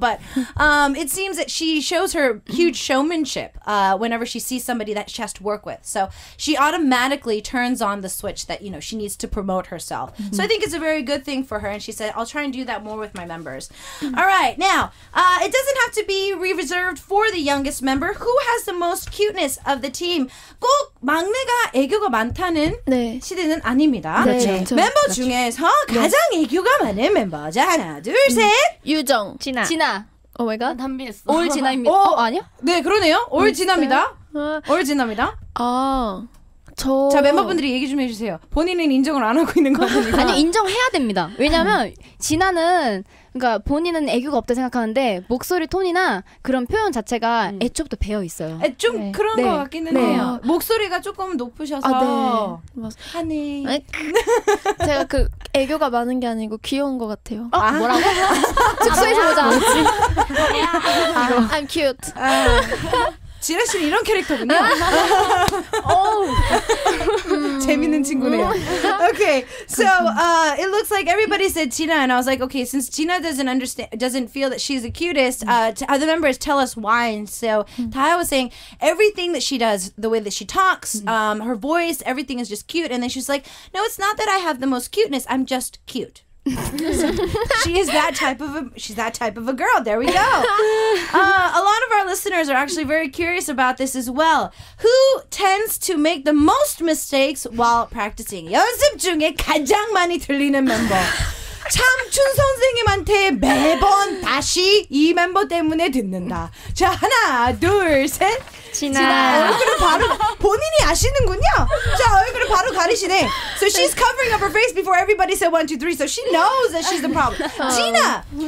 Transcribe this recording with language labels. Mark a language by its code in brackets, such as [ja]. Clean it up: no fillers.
[en] But it seems that she shows her huge showmanship whenever she sees somebody that she has to work with. So she automatically turns on the switch that, you know, she needs to promote herself. So I think it's a very good thing for her. And she said, I'll try and do that more with my members. All right. Now, it doesn't have to be reserved for the youngest member. Who has the most cuteness of the team? [ko] 꼭 막내가 애교가 많다는 네. 시대는 아닙니다. 네. 그렇죠. 그렇죠. 멤버 그렇죠. 중에서 가장 네. 애교가 많은 멤버. 자, 하나, 둘, 셋. 유정. 진아. 진아. 오 마이 갓. 담비했어. 올 진아입니다. 어, 아니요? 네, 그러네요. 올 진아입니다. 올 진아입니다. 아... 저... 자, 멤버분들이 얘기 좀 해주세요. 본인은 인정을 안 하고 있는 거니까. 아니, 인정해야 됩니다. 왜냐면 진아는 그러니까 본인은 애교가 없다 생각하는데 목소리 톤이나 그런 표현 자체가 애초부터 배어 있어요. 좀 네. 그런 네. 것 같기는 해요. 네. 목소리가 조금 높으셔서 아, 네. 하니 제가 그 애교가 많은 게 아니고 귀여운 것 같아요. 어? 아, 뭐라고? 즉소해서 보자. [en] I'm cute. 아. [ko] 지라 씨는 이런 캐릭터군요. 재밌는 친구네요. [en] Okay, so it looks like everybody said Gina, and I was like, okay, since Gina doesn't feel that she's the cutest, other members tell us why. And so Taya was saying everything that she does, the way that she talks, her voice, everything is just cute. And then she's like, no, it's not that I have the most cuteness. I'm just cute. She is that type of a girl. There we go. A lot of our listeners are actually very curious about this as well. Who tends to make the most mistakes while practicing? [ko] 연습 중에 가장 많이 틀리는 멤버. 참춘 선생님한테 매번 다시 이 멤버 때문에 듣는다. 자, 하나, 둘, 셋. 진아. 얼굴을 바로 본인이 아시는군요. 자, 얼굴을 바로 가리시네. [en] So she's covering up her face before everybody said 1, 2, 3. So she knows that she's the problem. 진아.